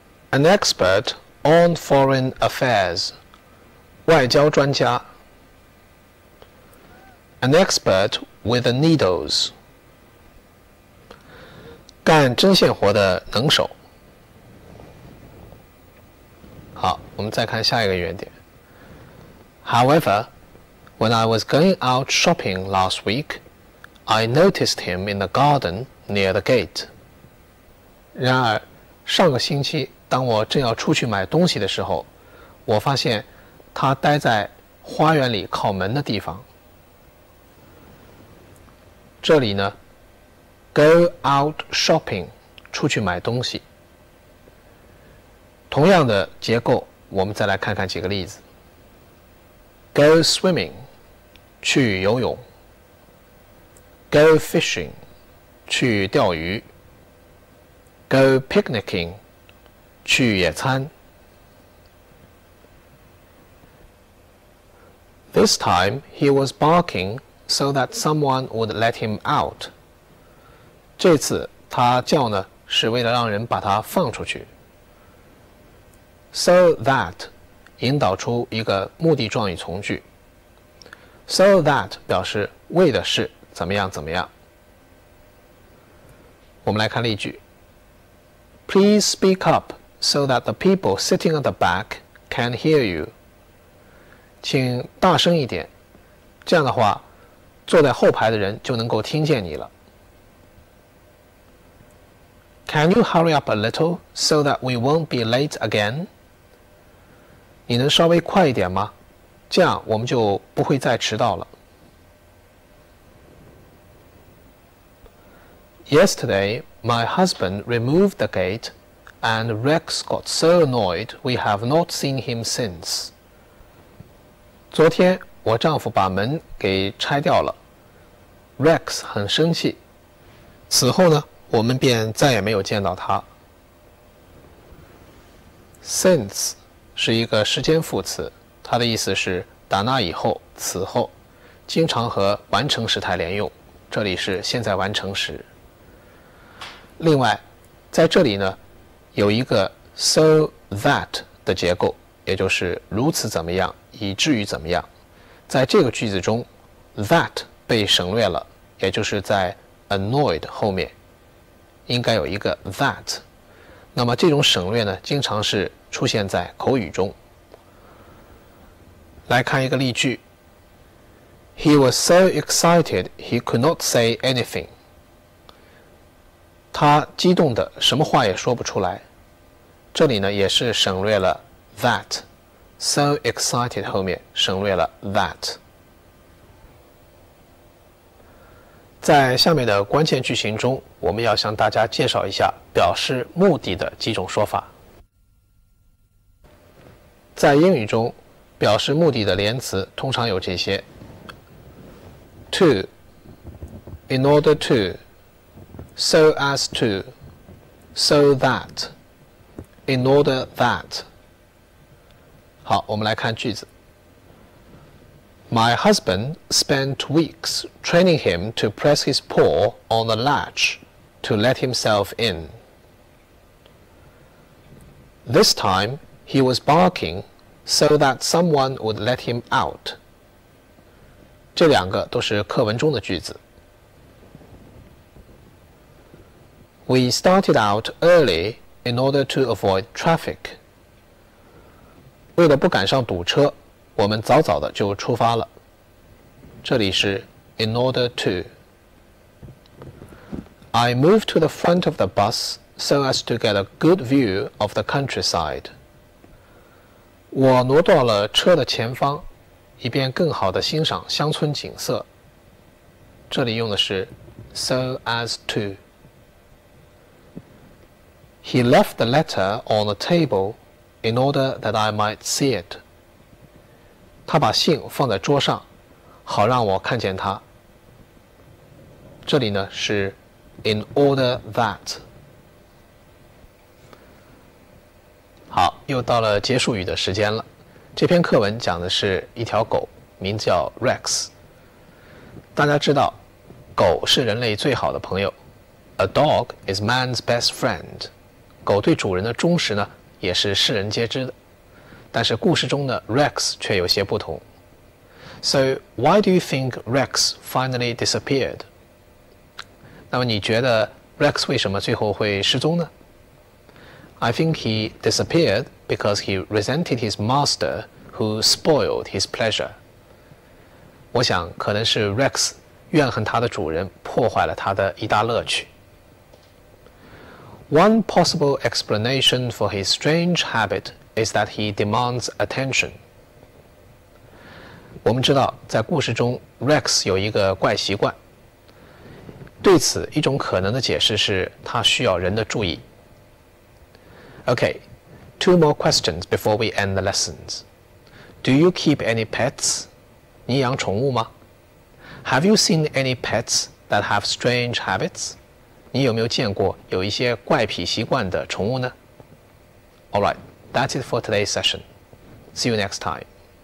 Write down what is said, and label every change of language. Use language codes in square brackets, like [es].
[en] An expert on foreign affairs, [zh] 外交专家。 [en] An expert with the needles, [zh] 干针线活的能手。好，我们再看下一个原点。 [en] However, when I was going out shopping last week, I noticed him in the garden near the gate. [zh] 然而，上个星期，当我正要出去买东西的时候，我发现他待在花园里靠门的地方。这里呢 ， [en] go out shopping， [zh] 出去买东西。同样的结构，我们再来看看几个例子。 [en] Go swimming， [zh] 去游泳。 [en] Go fishing， [zh] 去钓鱼。 [en] Go picnicking， [zh] 去野餐。 [en] This time he was barking so that someone would let him out. [zh] 这次他叫呢，是为了让人把他放出去。 So that 引导出一个目的状语从句。 So that 表示为的是怎么样怎么样。我们来看例句。 [en] Please speak up so that the people sitting at the back can hear you. [zh] 请大声一点，这样的话，坐在后排的人就能够听见你了。 [en] Can you hurry up a little so that we won't be late again? [zh] 你能稍微快一点吗？这样我们就不会再迟到了。 [en] Yesterday, my husband removed the gate, and Rex got so annoyed we have not seen him since. [zh] 昨天我丈夫把门给拆掉了。 Rex 很生气。此后呢，我们便再也没有见到他。 Since 是一个时间副词，它的意思是打那以后、此后，经常和完成时态连用。这里是现在完成时。另外，在这里呢，有一个 so that 的结构，也就是如此怎么样，以至于怎么样。在这个句子中 ，that 被省略了，也就是在 annoyed 后面应该有一个 that。那么这种省略呢，经常是出现在口语中。来看一个例句 [en] ：He was so excited he could not say anything。 [zh] 他激动的什么话也说不出来。这里呢也是省略了 that， so excited 后面省略了 that。在下面的关键句型中，我们要向大家介绍一下表示目的的几种说法。在英语中，表示目的的连词通常有这些 [en] to， in order toSo as to, so that, in order that. [zh] 好，我们来看句子。 [en] My husband spent weeks training him to press his paw on the latch to let himself in. This time, he was barking so that someone would let him out. [zh] 这两个都是课文中的句子。 [en] We started out early in order to avoid traffic. [zh] 为了不赶上堵车，我们早早的就出发了。这里是 in order to. [en] I moved to the front of the bus so as to get a good view of the countryside. [zh] 我挪到了车的前方，以便更好的欣赏乡村景色。这里用的是 so as to. [en] He left the letter on the table in order that I might see it. [zh] 他把信放在桌上，好让我看见它。这里呢是 in order that. 好，又到了结束语的时间了。这篇课文讲的是一条狗，名叫 Rex。大家知道，狗是人类最好的朋友。 [en] A dog is man's best friend. [zh] 狗对主人的忠实呢，也是世人皆知的。但是故事中的 Rex 却有些不同。 [en] So why do you think Rex finally disappeared? [zh] 那么你觉得 Rex 为什么最后会失踪呢？ [en] I think he disappeared because he resented his master, who spoiled his pleasure. [zh] 我想可能是 Rex 怨恨他的主人破坏了他的一大乐趣。 [en] One possible explanation for his strange habit is that he demands attention. [zh] 我们知道在故事中 Rex 有一个怪习惯。对此一种可能的解释是他需要人的注意。 [en] Okay, two more questions before we end the lessons. Do you keep any pets? [zh] 你养宠物吗? [en] Have you seen any pets that have strange habits? [zh] 你有没有见过有一些怪癖习惯的宠物呢? [en] All right, that's it for today's session. See you next time.